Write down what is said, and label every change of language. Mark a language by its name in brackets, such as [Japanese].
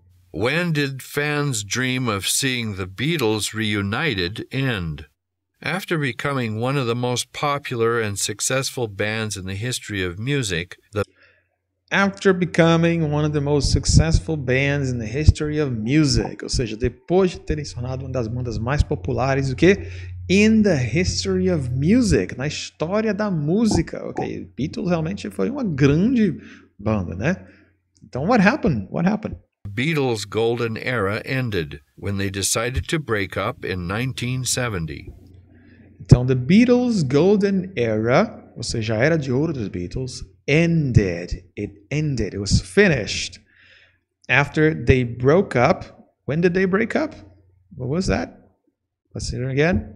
[English] When did fans' dream of seeing the Beatles reunited end? After becoming one of the most popular and successful bands in the history of music, [Portuguese] Ou seja, depois de terem se tornado uma das bandas mais populares, o quê? [English] In the history of music, [Portuguese] na história da música. Ok, Beatles realmente foi uma grande banda, né? Então, [English] what happened? What happened? The Beatles' golden era ended when they decided to break up in 1970. [Portuguese] Então, [English] the Beatles' golden era, [Portuguese] ou seja, a era de ouro dos Beatles, [English] ended. It ended. It was finished. After they broke up. When did they break up? What was that? Let's hear it again.